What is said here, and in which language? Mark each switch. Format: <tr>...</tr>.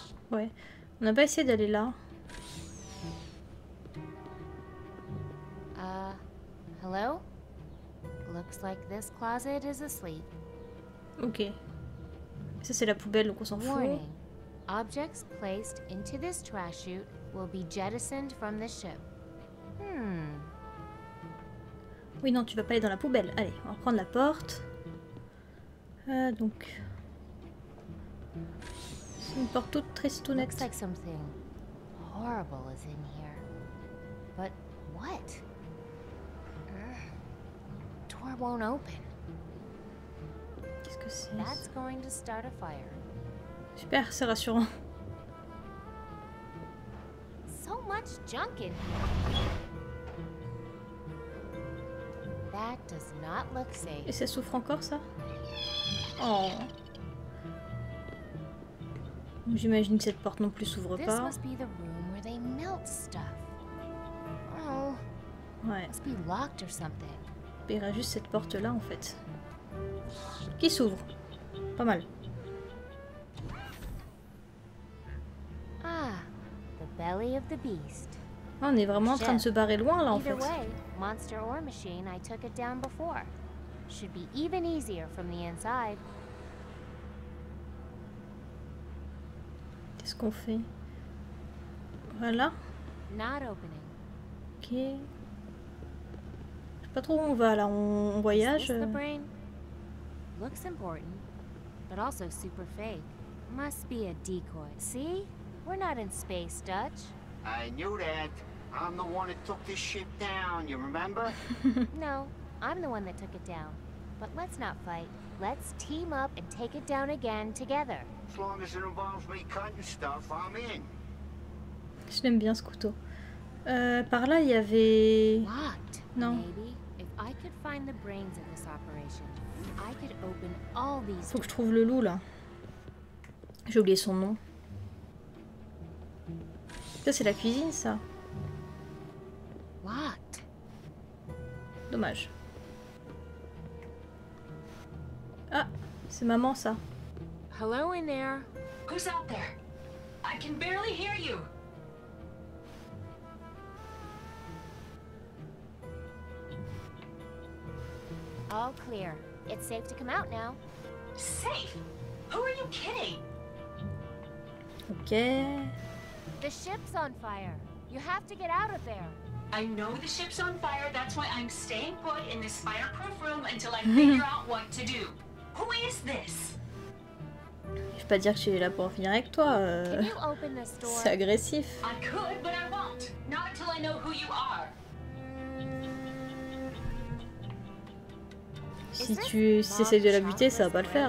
<fr>Ouais. On n'a pas essayé d'aller là.</fr> <en>Hello? Looks like this closet is asleep. Ok.</en> <fr>Ça c'est la poubelle, donc on s'en fout.</fr> <en>Warning. Objects placed into this trash chute will be jettisoned from the ship.</en> <fr>Oui, non, tu vas pas aller dans la poubelle. Allez, on va prendre la porte. Donc. C'est une porte toute tristounette.</fr> <en>Looks like something horrible is in here. But what? Door won't open. That's going to start a fire.</en> <fr>Super, c'est rassurant.</fr> <en>So much junk in here. That does not look safe.</en> <fr>Et ça souffre encore, ça? Oh. J'imagine que cette porte non plus s'ouvre pas.</fr> <en>This must be the room where they melt stuff. Oh. Ouais. Must be locked or something.</en> <fr>Il y aura juste cette porte là en fait. Qui s'ouvre. Pas mal.</fr> <en>Ah, the belly of the beast.</en> <fr>On est vraiment en train de se barrer loin là en fait.</fr> <en>Either way, monster or machine, I took it down before. Should be even easier from the inside.</en> <fr>Qu'est-ce qu'on fait? Voilà.</fr> <en>Not opening. OK.</en> <fr>Je sais pas trop où on va là, on voyage.</fr> <en>Looks important, but also super fake. Must be a decoy. See? We're not in space, Dutch. I knew that. I'm the one that took this ship down, you remember? No, I'm the one that took it down. But let's not fight. Let's team up and take it down again together. As long as it involves me cutting stuff, I'm in.</en> <fr>Je l'aime bien ce couteau. Par là, il y avait...</fr> <en>Locked,</en> <fr>non.</fr> <en>Maybe. If I could find find the brains of this operation, I could open all these.</en> <fr>Faut que je trouve le loup là. J'ai oublié son nom. Ça c'est la cuisine ça.</fr> <en>What?</en> <fr>Dommage. Ah, c'est maman ça.</fr> <en>Hello in there. Who's out there? I can barely hear you. All clear. It's safe to come out now. Safe? Who are you kidding? Okay. The ship's on fire. You have to get out of there. I know the ship's on fire. That's why I'm staying put in this fireproof room until I figure out what to do. Who is this?</en> <fr>Je vais pas dire que je suis là pour finir avec toi. C'est agressif.</fr> <en>I could, but I won't. Not until I know who you are.</en> <fr>Si tu essaies de la buter, ça va pas le faire.</fr>